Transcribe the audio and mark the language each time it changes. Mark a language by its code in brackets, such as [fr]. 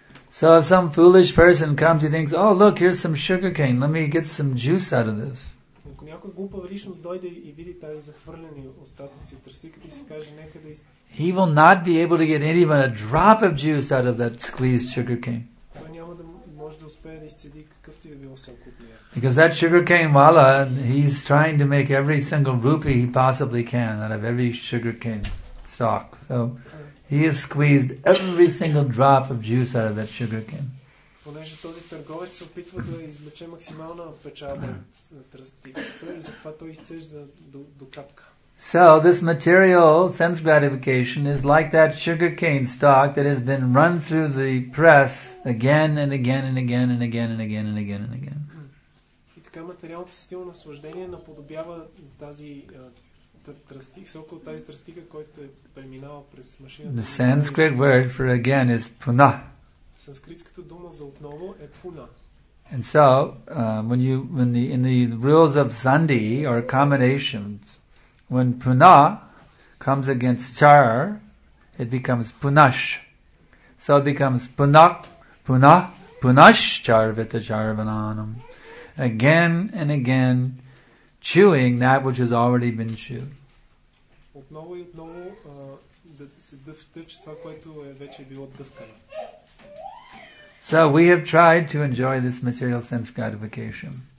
[en] So if some foolish person comes, he thinks, oh look, here's some sugar cane, let me get some juice out of this. [bg] Ако някой глупа личност дойде и види тази захвърлени остатъци от тръстиката и си каже, нека да... [en] He will not be able to get even a drop of juice out of that squeezed sugar cane. [bg] Той няма да може да успее да изцеди какъвто и да било сок от нея. [en] Because that sugar cane wala, he's trying to make every single rupee he possibly can out of every sugar cane stalk. So he has squeezed every single drop of juice out of that sugar cane. [bg] Понеже този търговец се опитва да извлече максимална печалба от тръстиката и затова той изцежда до капка. [en] So this material, sense gratification, is like that sugarcane stalk that has been run through the press again and again and again and again and again and again and again. [bg] И така материалното сетиво наслаждение наподобява тази тръстик, сока от тази тръстика, който е преминала през машината. [en] The Sanskrit word for again is puna. [bg] Санскритската дума за отново е пуна. [en] And so, when the rules of sandhi or combinations, when puna comes against char, it becomes punash. So it becomes [sa] puna, puna, punash charvita charvananam. [en] Again and again, chewing that which has already been chewed. [bg] Отново и отново да се дъвче това, което е вече било дъвкано. [en] So we have tried to enjoy this material sense gratification.